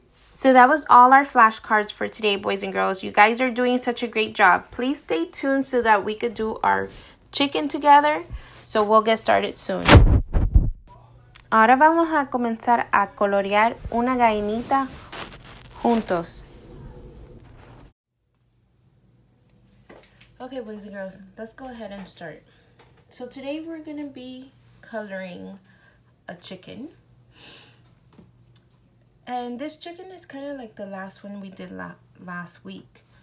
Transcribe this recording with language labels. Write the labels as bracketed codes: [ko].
[en] So that was all our flashcards for today, boys and girls. You guys are doing such a great job. Please stay tuned so that we could do our chicken together. So we'll get started soon. [es] Ahora vamos a comenzar a colorear una gallinita juntos. [en] Okay, boys and girls, let's go ahead and start. So today we're going to be coloring a chicken. And this chicken is kind of like the last one we did last week.